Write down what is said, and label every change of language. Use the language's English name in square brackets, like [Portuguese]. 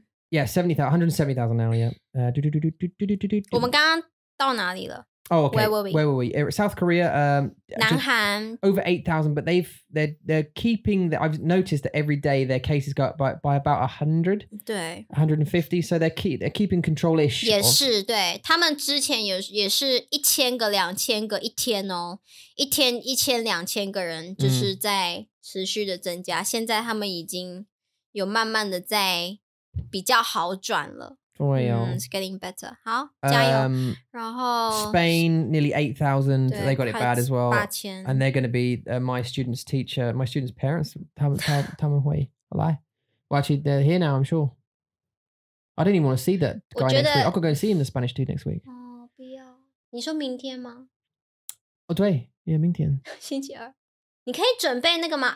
[English] Yeah, 170,000 now, yeah. Oh, okay. Where were we? South Korea. [Chinese] 南韩. [English] Over 8,000, but they're keeping... I've noticed that every day their cases go up by about 100. 150, so they're keeping control-ish. [Chinese] 也是，对，他们之前也是一千个、两千个一天哦，一天一千、两千个人就是在持续的增加，现在他们已经有慢慢的在比较好转了。 [English] Oh, yeah. It's getting better. [Chinese] 好，加油。然后 [English] Spain nearly 8,000. They got it bad as well. 8,000. And they're going to be my student's teacher, my student's parents. [Chinese] 他们会来。 [English] Well, actually, they're here now. I'm sure. I don't even want to see that guy next week. I could go see him, the Spanish dude, next week. [Chinese] Oh, 不要。你说明天吗？哦，对，yeah，明天。星期二。你可以准备那个吗?